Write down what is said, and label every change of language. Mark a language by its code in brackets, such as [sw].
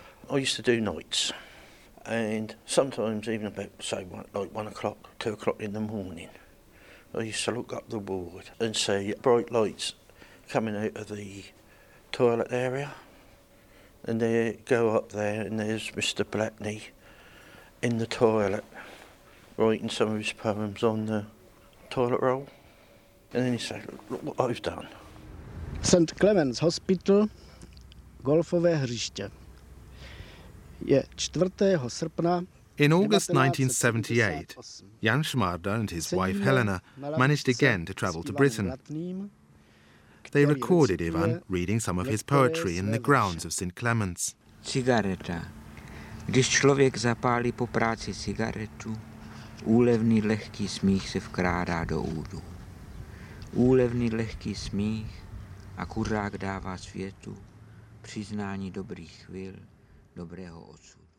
[en] I used to do nights, and sometimes even about, say, like 1 o'clock, 2 o'clock in the morning, I used to look up the ward and see bright lights coming out of the toilet area, and they go up there and there's Mr. Blatny in the toilet writing some of his poems on the toilet roll. And then he said, look what I've done. St. [cs] Clement's Hospital, golfové hřiště. Je 4. srpna. [en] In August 1978, Jan Šmarda and his wife Helena managed again to travel to Britain. They recorded Ivan reading some of his poetry in the grounds of St. Clement's. [cs] Cigareta. Když člověk zapálí po práci cigaretu, úlevný lehký smích se vkrádá do údu. Úlevný lehký smích. A kurák dává světu přiznání dobrých chvil, dobrého osudu.